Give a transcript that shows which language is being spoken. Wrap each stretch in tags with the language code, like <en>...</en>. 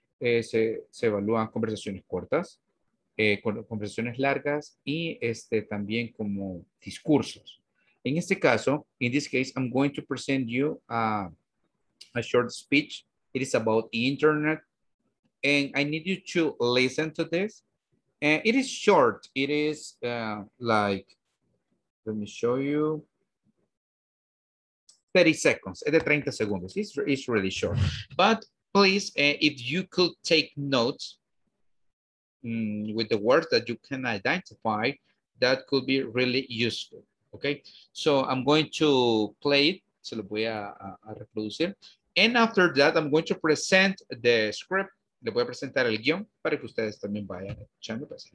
<es>Se evalúan conversaciones cortas, conversaciones largas, y también como discursos. En este caso,</es> <en>in this case, I'm going to present you a short speech. It is about the internet, and I need you to listen to this. And it is short. It is like, let me show you, 30 seconds.</en> <es>Es de 30 segundos.</es> <en>It's really short. But please, if you could take notes with the words that you can identify, that could be really useful. Okay. So I'm going to play it.</en> <es>Se lo voy a reproducir.</es> <en>And after that, I'm going to present the script.</en> <es>Le voy a presentar el guión para que ustedes también vayan escuchando.</es>